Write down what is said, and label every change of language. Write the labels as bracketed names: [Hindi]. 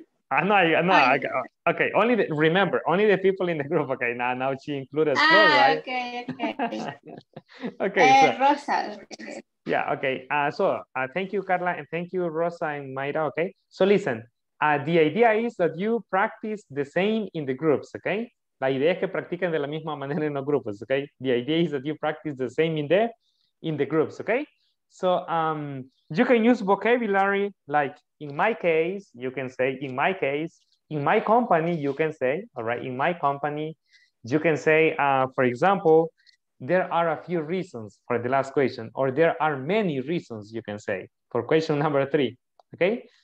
[English] No, okay, only the, remember, only the people in the group. Okay, now she included Flo, right? Okay. Rosa. Yeah, okay. Thank you, Carla, and thank you, Rosa and Mayra, okay? So listen, the idea is that you practice the same in the groups, okay? [Spanish] La idea es que practiquen de la misma manera en los grupos, okay? [English] The idea is that you practice the same in the groups, okay? So you can use vocabulary like in my case, you can say in my case, in my company, you can say, all right, in my company, you can say, for example, there are a few reasons for the last question, or there are many reasons you can say for question number three, okay?